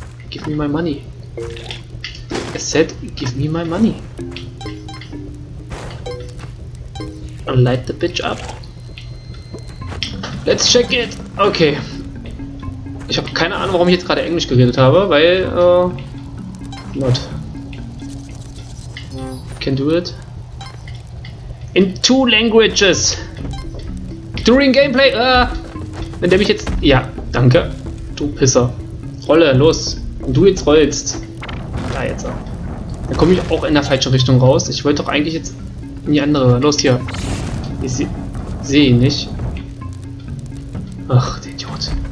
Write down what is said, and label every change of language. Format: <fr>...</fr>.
<en>Give me my money. I said, give me my money. I'll light the bitch up. Let's check it. Okay.</en> <de>Ich habe keine Ahnung, warum ich jetzt gerade Englisch geredet habe, weil, not.</de> <en>Can do it in two languages during gameplay.</en> <de>Wenn der mich jetzt, ja, danke, du Pisser, rolle los. Wenn du jetzt rollst, da jetzt, dann komme ich auch in der falschen Richtung raus. Ich wollte doch eigentlich jetzt in die andere. Los hier, ich sehe ihn nicht. Ach, der Idiot.</de>